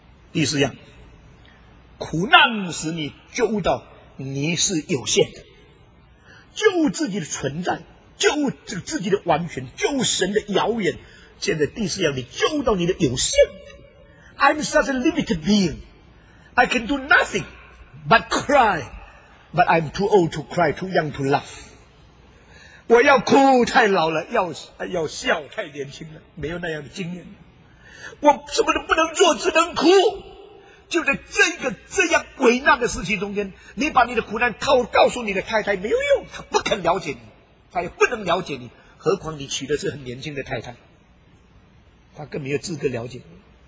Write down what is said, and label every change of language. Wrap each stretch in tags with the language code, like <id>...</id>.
<zh>第四样，苦难使你觉悟到你是有限的，觉悟自己的存在，觉悟自己的完全，觉悟神的遥远。现在第四样，你觉悟到你的有限。</zh> <en>I'm such a limited being, I can do nothing but cry, but I'm too old to cry, too young to laugh.</en> <zh>我要哭太老了， 要笑太年轻了，没有那样的经验，我什么都不能做，只能哭。就在这个这样危难的事情中间，你把你的苦难告诉你的太太没有用，她不肯了解你，她也不能了解你，何况你娶的是很年轻的太太，她更没有资格了解你。</zh>